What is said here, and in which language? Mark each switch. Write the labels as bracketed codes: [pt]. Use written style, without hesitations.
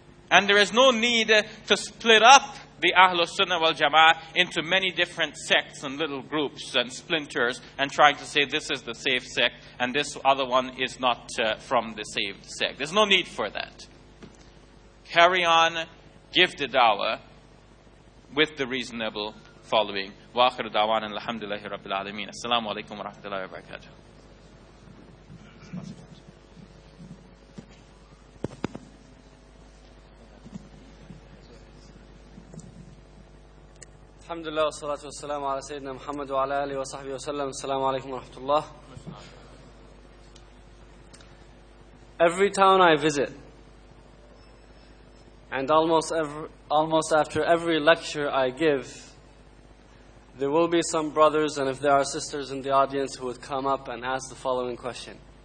[en] And there is no need to split up the Ahlul Sunnah wal Jama'ah into many different sects and little groups and splinters and trying to say this is the saved sect and this other one is not from the saved sect. There's no need for that. Carry on, give the da'wah with the reasonable following. [ar] وآخر دعوانا الحمد لله رب العالمين السلام عليكم ورحمة الله وبركاته الحمد لله والصلاة والسلام على سيدنا محمد وعلى آله وصحبه وسلم السلام عليكم ورحمة الله. [en] Every town I visit, and almost after every lecture I give, there will be some brothers, and if there are sisters in the audience, who would come up and ask the following question.